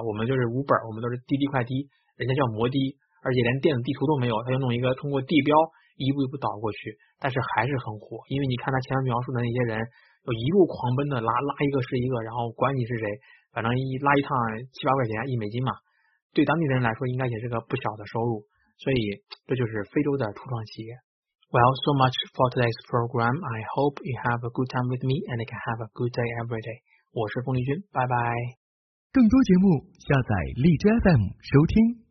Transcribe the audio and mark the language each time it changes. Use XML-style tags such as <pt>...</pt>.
<zh>我们就是 Uber， 我们都是滴滴快滴，人家叫摩的，而且连电子地图都没有，他就弄一个通过地标一步一步导过去，但是还是很火。因为你看他前面描述的那些人，就一路狂奔的拉一个是一个，然后管你是谁，反正一拉一趟7-8块钱一美金嘛，对当地人来说应该也是个不小的收入，所以这就是非洲的初创企业。</zh> <en>Well, so much for today's program. I hope you have a good time with me and can have a good day every day.</en> <zh>我是冯丽君，拜拜。更多节目下载荔枝 FM 收听。</zh>